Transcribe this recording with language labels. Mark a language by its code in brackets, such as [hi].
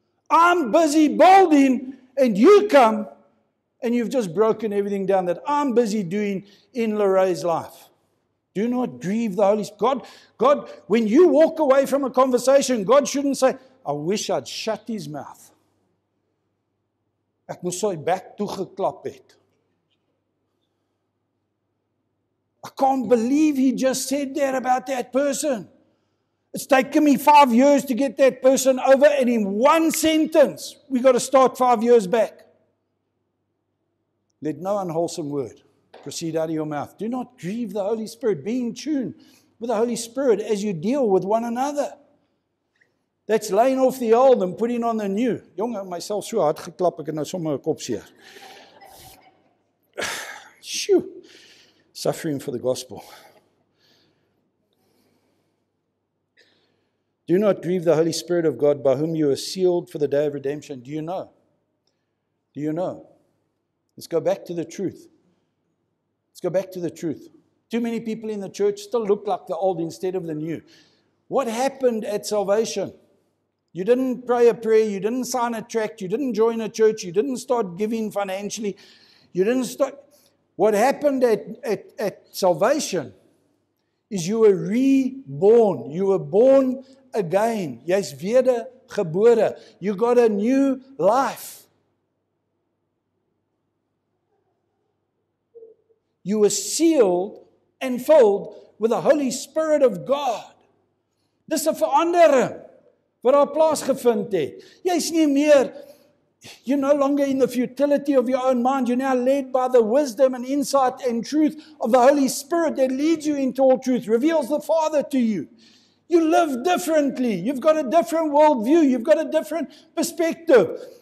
[en] I'm busy building, and you come, and you've just broken everything down that I'm busy doing in Lorraine's life. Do not grieve the Holy Spirit. God, when you walk away from a conversation, God shouldn't say, I wish I'd shut his mouth. [af] Ek moes sy bek toegeklap het. [en] I can't believe he just said that about that person. It's taken me 5 years to get that person over, and in one sentence, we got to start 5 years back. Let no unwholesome word proceed out of your mouth. Do not grieve the Holy Spirit. Be in tune with the Holy Spirit as you deal with one another. That's laying off the old and putting on the new. [af] Jonge, myself so hard geklap, ek het nou sommer 'n kop seer. [en] Shoo. Suffering for the gospel. Do not grieve the Holy Spirit of God by whom you are sealed for the day of redemption. Do you know? Do you know? Let's go back to the truth. Let's go back to the truth. Too many people in the church still look like the old instead of the new. What happened at salvation? You didn't pray a prayer. You didn't sign a tract. You didn't join a church. You didn't start giving financially. You didn't start. What happened at salvation is you were reborn. You were born again. [af] Jy's wedergebore. [en] You got a new life. You were sealed and filled with the Holy Spirit of God. [af] Dis 'n verandering wat daar plaasgevind het. Jy's nie meer, [en] you're no longer in the futility of your own mind. You're now led by the wisdom and insight and truth of the Holy Spirit that leads you into all truth, reveals the Father to you. You live differently. You've got a different worldview. You've got a different perspective.